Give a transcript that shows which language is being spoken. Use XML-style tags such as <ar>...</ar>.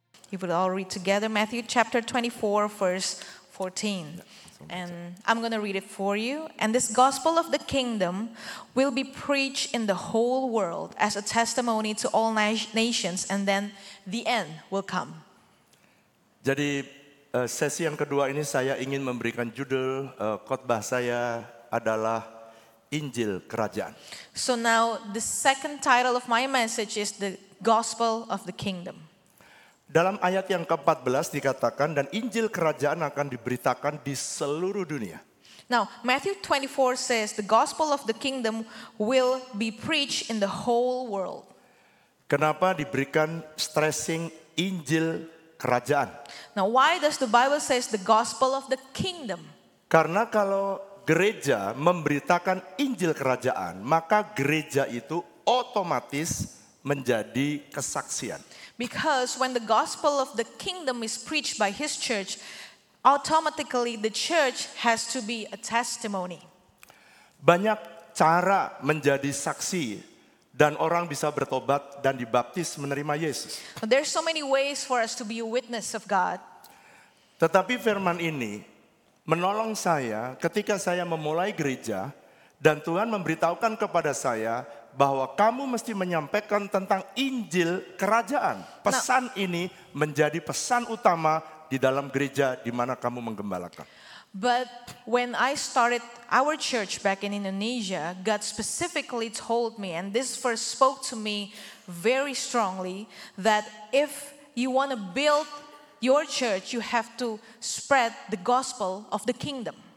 <en>You would all read together Matthew chapter 24, verse 14. And I'm going to read it for you. And this gospel of the kingdom will be preached in the whole world as a testimony to all nations, and then the end will come.</en> <id>Jadi sesi yang kedua ini saya ingin memberikan judul khotbah saya adalah Injil Kerajaan.</id> <en>So now the second title of my message is the gospel of the kingdom.</en> <id>Dalam ayat yang ke-14 dikatakan, dan Injil Kerajaan akan diberitakan di seluruh dunia.</id> <en>Now, Matthew 24 says the gospel of the kingdom will be preached in the whole world.</en> <id>Kenapa diberikan stressing Injil Kerajaan?</id> <en>Now, why does the Bible says the gospel of the kingdom?</en> <id>Karena kalau gereja memberitakan Injil Kerajaan, maka gereja itu otomatis menjadi kesaksian.</id> <en>Because when the gospel of the kingdom is preached by his church, automatically the church has to be a testimony.</en> <id>Banyak cara menjadi saksi dan orang bisa bertobat dan dibaptis menerima Yesus.</id> <en>There are so many ways for us to be a witness of God.</en> <id>Tetapi firman ini menolong saya ketika saya memulai gereja dan Tuhan memberitahukan kepada saya bahwa kamu mesti menyampaikan tentang Injil Kerajaan. Pesan ini menjadi pesan utama di dalam gereja di mana kamu menggembalakan.</id> <en>But when I started our church back in Indonesia, God specifically told me, and this first spoke to me very strongly, that if you want to build your church, you have to spread the gospel of the kingdom.</en>